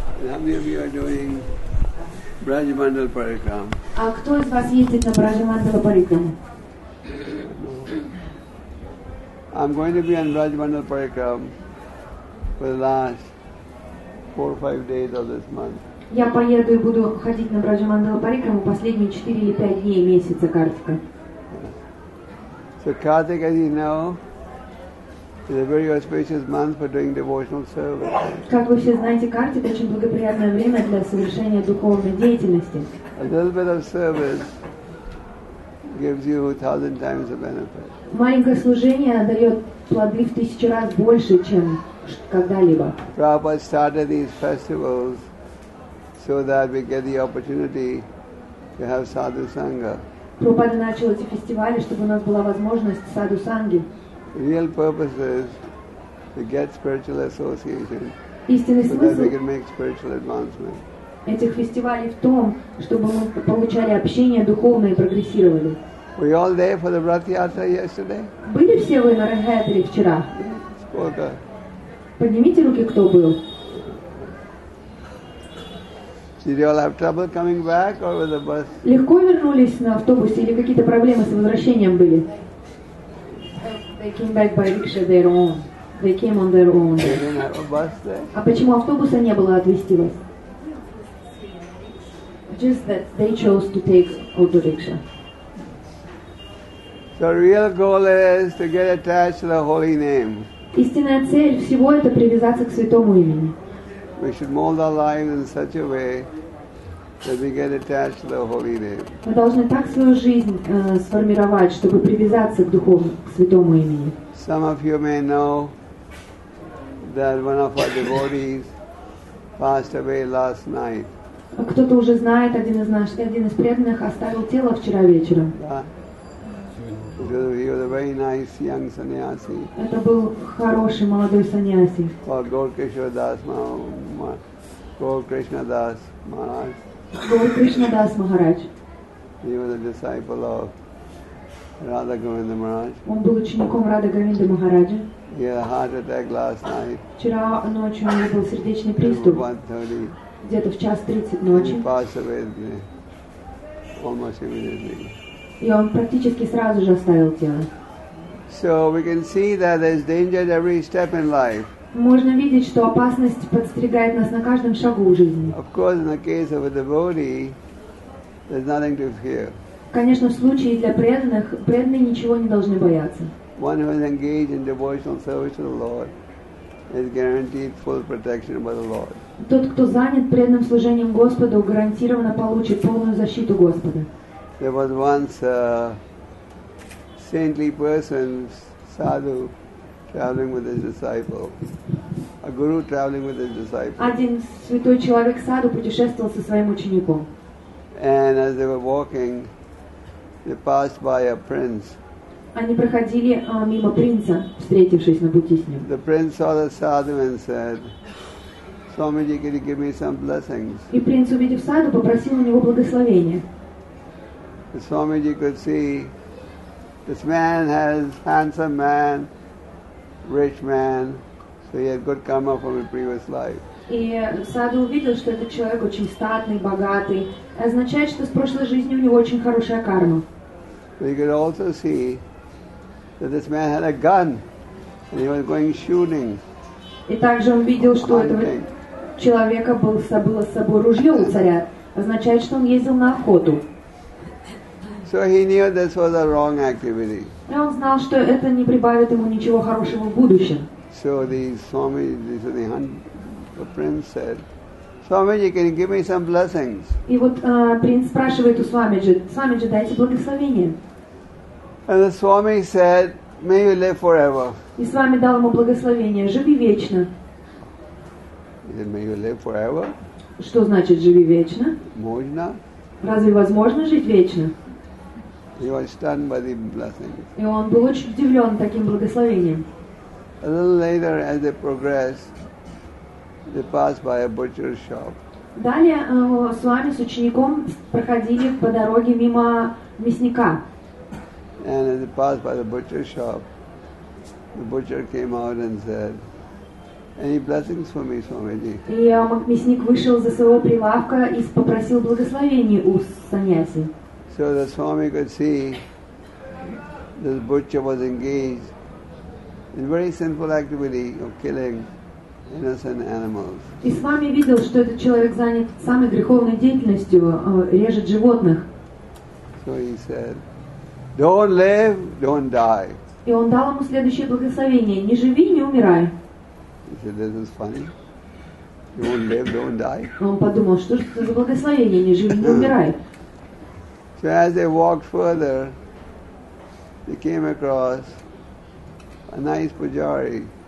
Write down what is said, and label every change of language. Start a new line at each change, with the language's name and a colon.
English: How many of you are doing Brajmandal Parikram?
Russian: А кто из вас ездит на Брадж-мандала Парикрам?
English: I'm going to be on Brajmandal Parikram for the last 4 or 5 days of this month.
Russian: Я поеду и буду ходить на Брадж-мандала Парикрам последние 4 или 5 дней месяца Картика.
English: So Kartik, as you know, is a very auspicious month for doing devotional service.
Russian: Как вы все знаете, Картик очень благоприятное время для совершения духовной деятельности.
English: A little bit of service gives you 1,000 times the benefit.
Russian: Маленькое служение дает плоды в 1,000 раз больше, чем когда-либо.
English: Prabhupada started these festivals so that we get the opportunity to have sadhu sangha.
Russian: Прабхупада начал эти фестивали, чтобы у нас была возможность саду санги.
English: Real purpose is to get spiritual association.
Russian: Истинный
English: so
Russian: смысл
English: that we can make spiritual advancement.
Russian: Этих фестивалей в том, чтобы мы получали общение духовное и прогрессировали.
English: Were you all there for the Rath Yatra yesterday?
Russian: Были все вы на Рах Ятре вчера? Сколько? Поднимите руки, кто был.
English: Did you all have trouble coming back or with the bus?
Russian: Легко вернулись на автобусе или какие-то проблемы с возвращением были?
English: They came back by rickshaw their own. They came on their own. They didn't have a bus there?
Russian: А почему автобуса не было отвезти вас?
English: Just that they chose to take auto rickshaw. The real goal is to get attached to the holy name.
Russian: Истинная цель всего это привязаться к святому имени.
English: We should mold our lives in such a way that we get attached to the holy name.
Russian: Мы должны так свою жизнь сформировать, чтобы привязаться к духовному, к святому имени.
English: Some of you may know that one of our devotees passed away last night.
Russian: Кто-то уже знает, один из преданных оставил тело вчера вечером.
English: He was a very nice young sannyasi.
Russian: Это был хороший молодой саньяси.
English: Called Gaurkrishnadas Maharaj. Gaurkrishnadas Maharaj. He was a disciple of Radha Govinda Maharaj.
Russian: Он был учеником Радха Говинда Махараджа.
English: He had a heart attack last night.
Russian: Вчера ночью у него был сердечный приступ. Где-то в 1:30 ночи.
English: He passed away almost immediately.
Russian: И он практически сразу же оставил тело.
English: So we can see that there's danger at every step in life.
Russian: Можно видеть, что опасность подстерегает нас на каждом шагу жизни.
English: Of course, in the case of a devotee, there's nothing to fear.
Russian: Конечно, в случае для преданных, преданные ничего не должны бояться.
English: One who is engaged in devotional service to the Lord is guaranteed full protection by the Lord.
Russian: Тот, кто занят преданным служением Господу, гарантированно получит полную защиту Господа.
English: There was once a saintly person, sadhu, traveling with his disciple. A guru traveling with his disciple.
Russian: Один святой человек саду путешествовал со своим учеником.
English: And as they were walking, they passed by a prince.
Russian: Они проходили мимо принца, встретившись на пути с ним.
English: The prince saw the sadhu and said, "Swamiji, can you give me some blessings?"
Russian: И принц, увидев саду, попросил у него благословения.
English: Swamiji could see this man has handsome man, rich man, so he had good karma from a previous life.
Russian: И саду увидел, что этот человек очень статный, богатый, означает, что с прошлой жизни у него очень хорошая карма.
English: But he could also see that this man had a gun and he was going shooting.
Russian: И также он видел, что этого человека было с собой ружье у царя, означает, что он ездил на охоту.
English: So he knew this was a wrong activity.
Russian: И он знал, что это не прибавит ему ничего хорошего в будущем.
English: So the Swamiji, the prince said, "Swamiji, can you give me some blessings?"
Russian: И вот принц спрашивает у Свамиджи: "Свамиджи, дайте благословение."
English: And the Swami said, "May you live forever."
Russian: И Свами дал ему благословение: "Живи вечно."
English: He said, "May you live forever?"
Russian: Что значит "живи вечно"? Можно. Разве возможно жить вечно?
English: He was stunned by the blessing.
Russian: И он был очень удивлен таким благословением.
English: A little later, as they progressed, they passed by a butcher's shop.
Russian: Далее с вами, с учеником, проходили по дороге мимо мясника.
English: And as they passed by the butcher's shop, the butcher came out and said, "Any blessings for me, Swamiji?"
Russian: И мясник вышел за своего прилавка и попросил благословения у саньяси.
English: So the Swami could see this butcher was engaged in very sinful activity of killing innocent animals.
Russian: И Свами видел, что этот человек занят самой греховной деятельностью, режет животных.
English: So he said, "Don't live, don't die."
Russian: И он дал ему следующее благословение: не живи, не умирай.
English: He said, "This is funny. Don't live, don't die."
Russian: Он подумал, что это за благословение: не живи, не умирай.
English: So as they walked further, they came across a nice pujari.